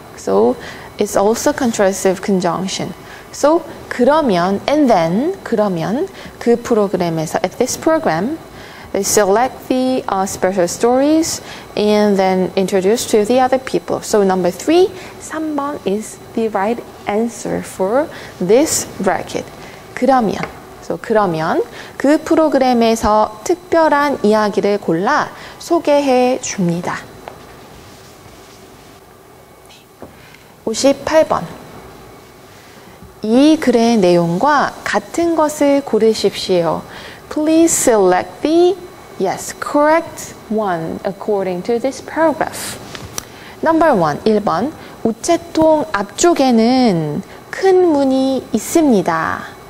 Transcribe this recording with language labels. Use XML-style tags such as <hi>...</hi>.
<en>So it's also contrastive conjunction. So 그러면 and then</en> <ko>그러면 그 프로그램에서</ko> <en>at this program they select the special stories and then introduce to the other people. So number 3, 3번 is the right answer for this bracket.</en> <ko>그러면. So 그러면 그 프로그램에서 특별한 이야기를 골라 소개해 줍니다. 58번. 이 글의 내용과 같은 것을 고르십시오.</ko> <en>Please select the yes, correct one according to this paragraph. Number 1. 1번.</en> <ko>우체통 앞쪽에는 큰 문이 있습니다.</ko>